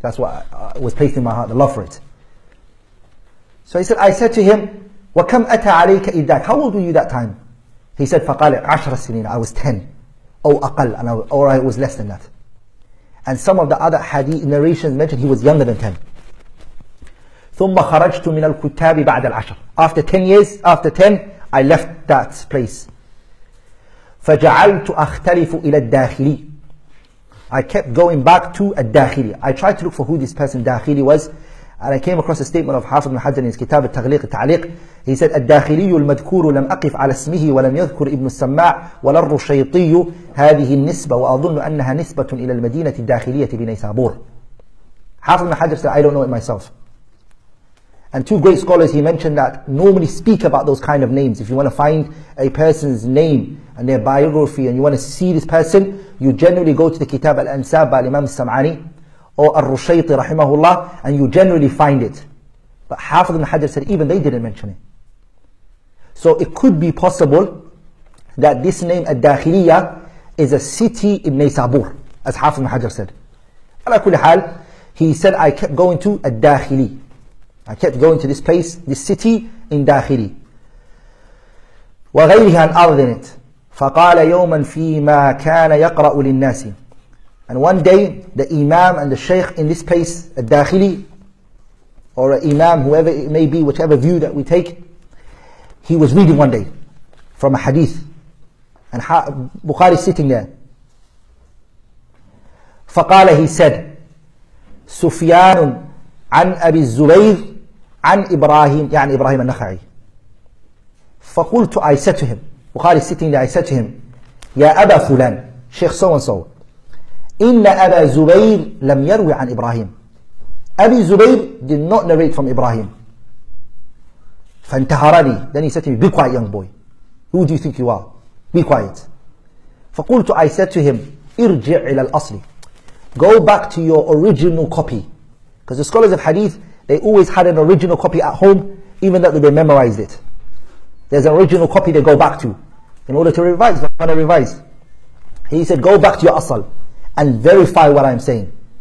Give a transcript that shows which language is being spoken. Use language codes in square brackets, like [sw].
[en] That's what was placed in my heart, the love for it. So he said, I said to him, [ar] وَكَمْ أَتَى عَلَيْكَ إِدَّاكَ. [en] How old were you that time? He said, [ar] فَقَالَ عَشْرَ سِنِينَ. [en] I was 10. [ar] أو أقل. [en] Or I was less than that. And some of the other hadith narrations mentioned he was younger than 10. [ar] ثم خرجت من الكتاب بعد العشر. [en] After 10 years, after 10, I left that place. فجعلت أختلف إلى الداخلي. I kept going back to الداخلي. I tried to look for who this person داخلي was, and I came across a statement of Hafiz ibn Hajar in his kitab التغليق التعليق. He said, [ar] الداخلي المذكور لم أقف على اسمه ولم يذكر ابن السماع ولا الرشيطي هذه النسبة وأظن أنها نسبة إلى المدينة الداخلية بنيسابور. [en] Hafiz ibn Hajar said, I don't know it myself. And two great scholars, he mentioned that normally speak about those kind of names. If you want to find a person's name and their biography and you want to see this person, you generally go to the Kitab Al-Ansab by Imam Al-Sam'ani or Al-Rushayti rahimahullah, and you generally find it. But Hafiz ibn Hajar said even they didn't mention it. So it could be possible that this name Al-Dakhiliya is a city in Naysabur, as Hafiz ibn Hajar said. Ala kulli hal, he said, I kept going to Al-Dakhili. I kept going to this place, this city in Dakhili. [ar] وغيرها [en] and other than it. [ar] فقال يوما فيما كان يقرأ للناس. [en] And one day, the Imam and the Shaykh in this place, Al-Dakhili, or an Imam, whoever it may be, whichever view that we take, he was reading one day from a hadith. And Bukhari is sitting there. [ar] فقال, [en] he said, [ar] سفيان عن أبي الزبير عن إبراهيم, يعني إبراهيم النخعي. فقلت, [en] I said to him, Bukhari is sitting there, I said to him, [ar] يا أبا فلان, [en] Sheikh so and so, [ar] إن أبا زبير لم يروي عن إبراهيم. [en] أبي زبير did not narrate from إبراهيم. [ar] فانتهرني. [en] Then he said to me, be quiet young boy. Who do you think you are? Be quiet. [ar] فقلت, [en] I said to him, [ar] ارجع إلى الأصل. [en] Go back to your original copy. Because the scholars of hadith, they always had an original copy at home, even though they memorized it. There's an original copy they go back to in order to revise, but I want to revise. He said, go back to your asal and verify what I'm saying.